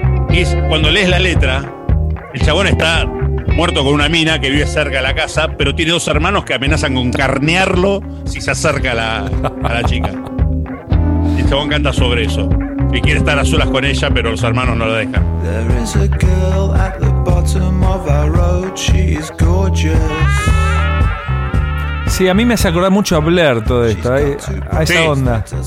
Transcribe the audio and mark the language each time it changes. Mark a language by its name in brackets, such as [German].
[Spanish] Y es cuando lees la letra... El chabón está muerto con una mina que vive cerca de la casa, pero tiene dos hermanos que amenazan con carnearlo si se acerca a la chica. Y el chabón canta sobre eso. Y quiere estar a solas con ella, pero los hermanos no la dejan. [English] There is a girl at the bottom of our road, she is gorgeous. [Spanish] Sí, a mí me hace acordar mucho a Blair todo esto, a esa onda.